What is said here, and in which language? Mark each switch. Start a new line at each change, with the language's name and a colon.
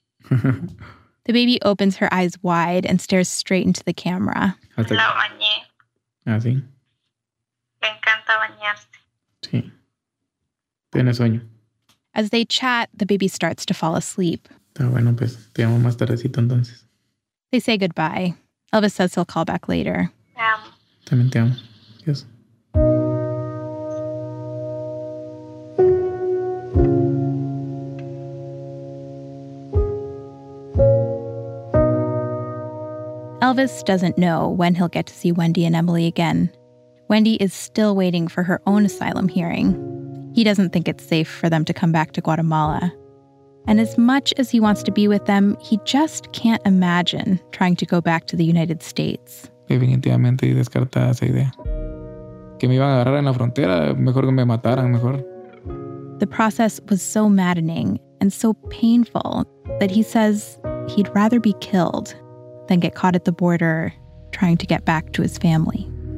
English: The baby opens her eyes wide and stares straight into the camera.
Spanish: Hasta la bañé. Ah, sí. Me encanta bañarte. Sí. Tiene sueño.
English: As they chat, the baby starts to fall asleep.
Spanish: Está bueno, pues, te llamo más tardecito, entonces.
English: They say goodbye. Elvis says he'll call back later.
Spanish: Te amo. También te amo. Adiós.
English: Elvis doesn't know when he'll get to see Wendy and Emily again. Wendy is still waiting for her own asylum hearing. He doesn't think it's safe for them to come back to Guatemala. And as much as he wants to be with them, he just can't imagine trying to go back to the United States.
Spanish: Definitivamente descartada esa idea. Que me iban a agarrar en la frontera, mejor que me mataran, mejor.
English: The process was so maddening and so painful that he says he'd rather be killed than get caught at the border trying to get back to his family.